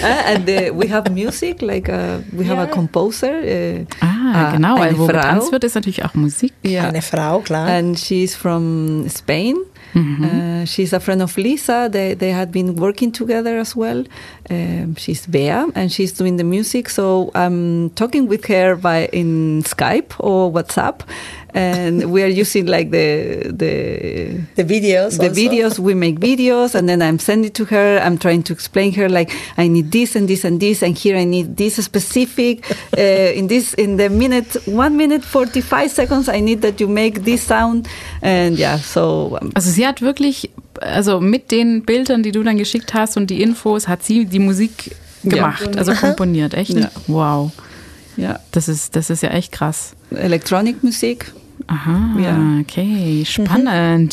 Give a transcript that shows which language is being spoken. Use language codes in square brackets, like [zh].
[en] And we have music, like we have a composer. [de] Genau, weil wo getanzt wird, ist natürlich auch Musik. Yeah. Eine Frau, klar. [en] And she's from Spain. She's a friend of Lisa. They had been working together as well. She's Bea, and she's doing the music. So I'm talking with her in Skype or WhatsApp, and we are using like the videos. The Videos we make videos, and then I'm sending to her. I'm trying to explain her like I need this and this and this, and here I need this specific in the 1:45 I need that you make this sound, and yeah. So [de] also sie hat wirklich also mit den Bildern, die du dann geschickt hast und die Infos, hat sie die Musik gemacht, also komponiert, echt? Ja. Wow. Ja. Das ist ja echt krass. Electronic Musik. Aha, ja. Okay, spannend.